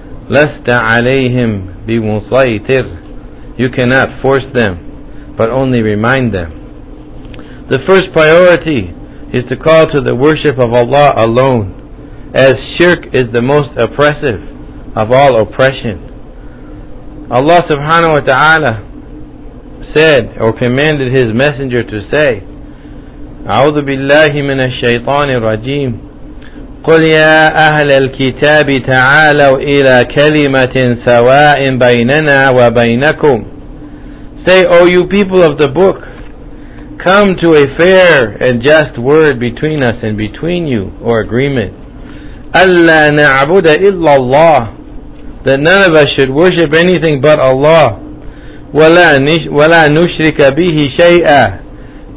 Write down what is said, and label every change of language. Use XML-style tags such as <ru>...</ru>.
<ar>لَسْتَ عَلَيْهِمْ بِمُسَيْطِرْ.</ar> <en>You cannot force them, but only remind them. The first priority is to call to the worship of Allah alone, as shirk is the most oppressive of all oppression. Allah subhanahu wa ta'ala said, or commanded His messenger to say,</en> <ar>أعوذ بالله من الشيطان الرجيم قل يا أهل الكتاب تعالوا إلى كلمة سواء بيننا وبينكم.</ar> <en>Say, O you people of the book, come to a fair and just word between us and between you, or agreement.</en> <ar>أَلَّا نَعْبُدَ إِلَّا اللَّهِ.</ar> <en>That none of us should worship anything but Allah.</en> <ar>وَلَا نُشْرِكَ بِهِ شَيْئًا.</ar>